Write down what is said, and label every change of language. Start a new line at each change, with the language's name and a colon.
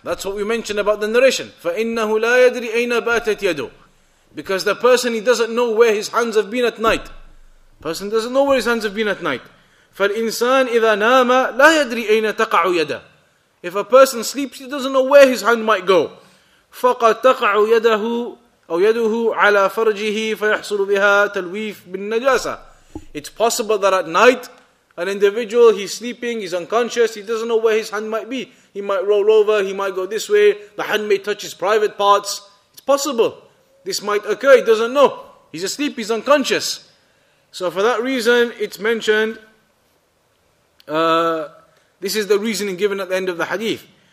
English: That's what we mentioned about the narration.
Arabic: فَإِنَّهُ لَا يَدْرِ أَيْنَ بَاتَتْ يَدُ.
English: Because the person, he doesn't know where his hands have been at night. Person doesn't know where his hands have been at night.
Arabic: فَالْإِنسَانِ إِذَا نَامَ لَا يَدْرِ أَيْنَ تَقَعُ يَدَ.
English: If a person sleeps, he doesn't know where his hand might go.
Arabic: فَقَدْ تَقَعُ يَدَهُ أو يده على فرجه فيحصل بها تلويف بالنجاسة.
English: It's possible that at night, an individual, he's sleeping, he's unconscious, he doesn't know where his hand might be. He might roll over, he might go this way, the hand may touch his private parts. It's possible. This might occur, he doesn't know. He's asleep, he's unconscious. So for that reason, it's mentioned, this is the reasoning given at the end of the hadith.